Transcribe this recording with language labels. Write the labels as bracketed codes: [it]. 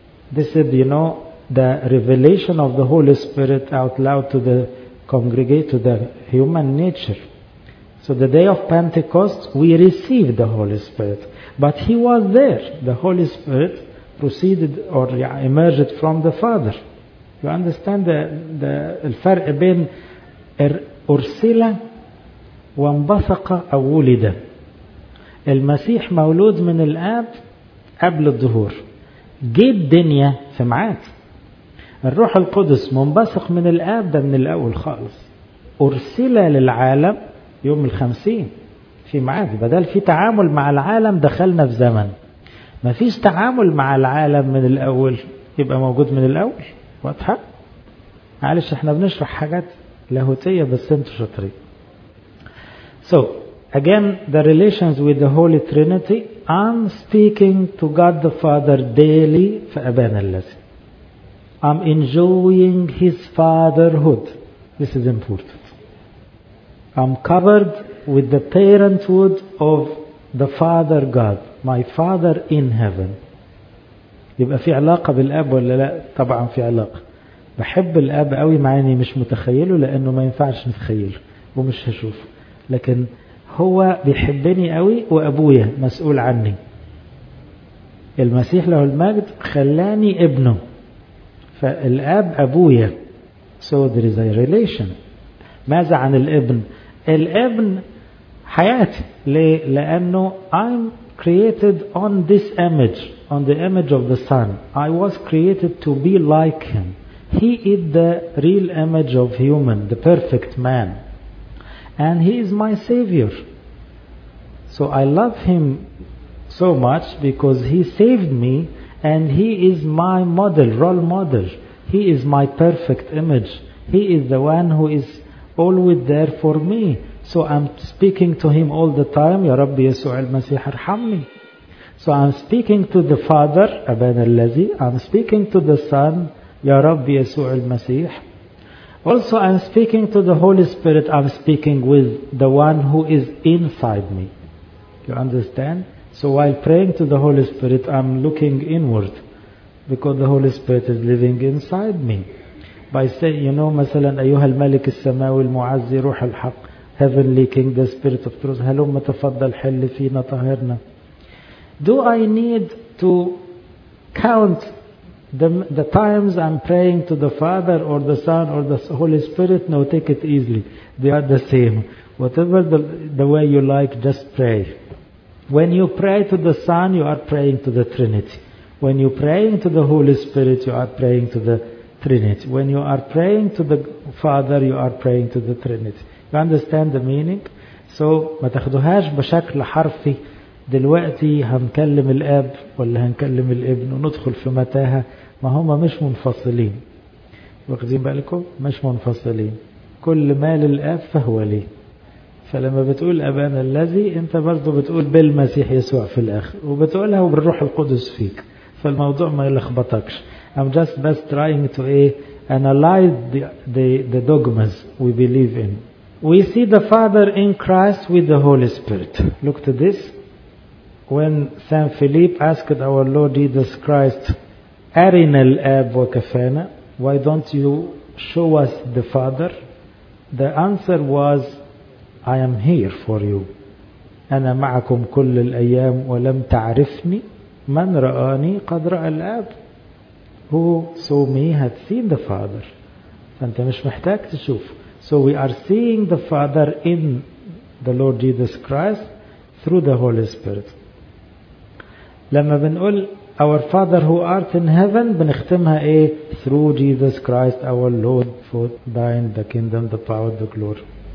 [en] This is, you know, the revelation of the Holy Spirit out loud to the congregate, to the human nature. So the day of Pentecost, we received the Holy Spirit. But He was there. The Holy Spirit proceeded or emerged from the Father. You understand the [ar] الفرق بين أرسل وانبثق أو ولد. المسيح مولود من الآب قبل الظهور. جه الدنيا في معاد. الروح القدس منبثق من الآب ده من الأول خالص. أرسل للعالم يوم 50 في معاد. بدل في تعامل مع العالم دخلنا في زمن. ما فيش تعامل مع العالم من الأول يبقى موجود من الأول. واضحة؟ معلش احنا بنشرح حاجات لاهوتية بس انتوا شاطرين. [en] So again, the relations with the Holy Trinity, I'm speaking to God the Father daily [ar] فأبانا الذي. [en] I'm enjoying His fatherhood. This is important. I'm covered with the parenthood of the Father God, my Father in heaven. [ar] يبقى في علاقة بالأب ولا لا؟ طبعا في علاقة. بحب الأب قوي مع اني مش متخيله لانه ما ينفعش نتخيله ومش هشوفه. لكن هو بيحبني قوي وابويا مسؤول عني. المسيح له المجد خلاني ابنه. فالاب ابويا. So there is a relation. ماذا عن الابن؟ الابن حياتي. ليه؟ لانه [en] I'm created on this image, on the image of the Son. I was created to be like Him. He is the real image of human, the perfect man. And He is my Savior. So I love Him so much because He saved me and He is my model, role model. He is my perfect image. He is the one who is always there for me. So I'm speaking to Him all the time. [ar] Ya Rabbi Yesu al-Masih arhamni. [en] So I'm speaking to the Father, [ar] Aban al-Lazi. [en] I'm speaking to the Son, [ar] Ya Rabbi Yesu al-Masih. [en] Also, I'm speaking to the Holy Spirit. I'm speaking with the one who is inside me. You understand? So while praying to the Holy Spirit, I'm looking inward because the Holy Spirit is living inside me. By saying, you know, [ar] مثلا أيها الملك السماوي المعزي روح الحق [en] Heavenly King, the Spirit of Truth, [ar] هلوم تفضل حل فينا طهرنا. [en] Do I need to count the times I'm praying to the Father or the Son or the Holy Spirit? No, take it easily. They are the same. Whatever the way you like, just pray. When you pray to the Son, you are praying to the Trinity. When you're praying to the Holy Spirit, you are praying to the Trinity. When you are praying to the Father, you are praying to the Trinity. You understand the meaning? [ar] So, ما تاخدوهاش بشكل حرفي. دلوقتي هنكلم الاب ولا هنكلم الابن وندخل في متاهة. ما هما مش منفصلين. واخدين بالكم؟ مش منفصلين. كل ما للاب فهو لي. فلما بتقول ابانا الذي انت برضو بتقول بالمسيح يسوع في الاخر. وبتقولها وبالروح القدس فيك. فالموضوع ما يلخبطكش. [en] I'm just best trying to analyze the dogmas we believe in. We see the Father in Christ with the Holy Spirit. Look to this. When Saint Philip asked our Lord Jesus Christ, [ar] أرنا الأب وكفانا, [en] why don't you show us the Father? The answer was, I am here for you. [ar] أنا معكم كل الأيام ولم تعرفني. من رآني قد رأى الأب. [en] Who saw me had seen the Father. [ar] فأنت مش محتاج تشوف. [en] So we are seeing the Father in the Lord Jesus Christ through the Holy Spirit. [ar] لما بنقول [en] our Father who art in heaven [ar] بنختمها ايه؟ [en] Through Jesus Christ our Lord for thine the kingdom, the power, the glory.